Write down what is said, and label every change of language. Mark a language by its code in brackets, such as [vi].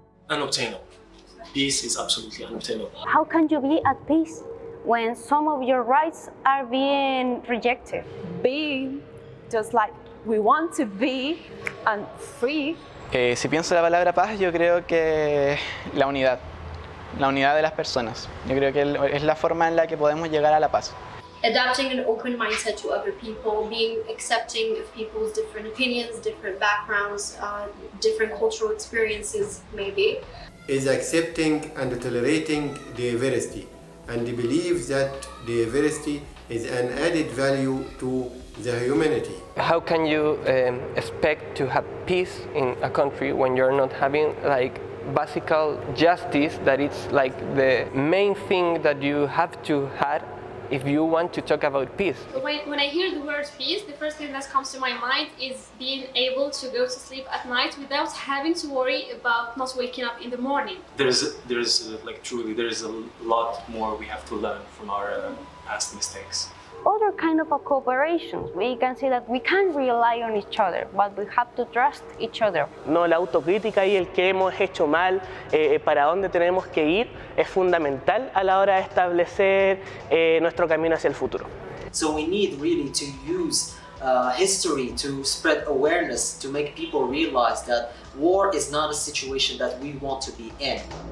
[en] Unobtainable. Peace is absolutely unobtainable. How can you be at peace when some of your rights are being rejected? Being just like we want to be and free. [es] Si pienso la palabra paz, yo creo que la unidad. La unidad de las personas. Yo creo que es la forma en la que podemos llegar a la paz. [en] Adapting an open mindset to other people, being accepting of people's different opinions, different backgrounds, different cultural experiences, maybe. Is accepting and tolerating diversity. And they believe that diversity is an added value to the humanity. How can you expect to have peace in a country when you're not having like basic justice, that it's like the main thing that you have to have if you want to talk about peace? When I hear the word peace, the first thing that comes to my mind is being able to go to sleep at night without having to worry about not waking up in the morning. There's a lot more we have to learn from our past mistakes. Other kind of a cooperation. We can see that we can rely on each other, but we have to trust each other. [es] No, la autocrítica y el que hemos hecho mal, para dónde tenemos que ir, es fundamental a la hora de establecer nuestro camino hacia el futuro. [en] So we need really to use history to spread awareness, to make people realize that war is not a situation that we want to be in.